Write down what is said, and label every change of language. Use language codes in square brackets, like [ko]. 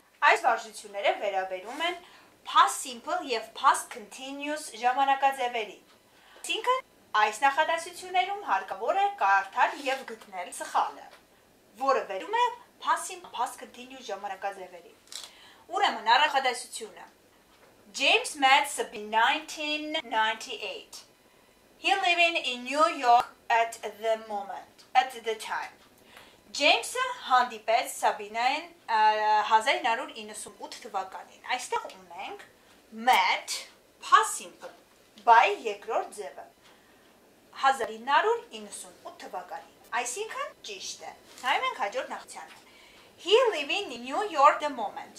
[hy] Այս վարժությունները վերաբերում են past simple եւ past continuous ժամանակաձևերի։ Այսինքն այս նախադասություններում հարկավոր է կարդալ եւ գտնել սխալը, որը վերում է past simple past continuous ժամանակաձևերի։ Ուրեմն առաջադասությունը. [en] James Metz in 1998. He living in New York at the moment, at the time. [hy] James-ը հանդիպեց Սաբինային 1998 թվականին։ Այստեղ ունենք Met past simple by երկրորդ ձևը 1998 թվականին։ Այսինքն ճիշտ է։ Նայում ենք հաջորդ նախցյանը։ [en] He living in New York the moment.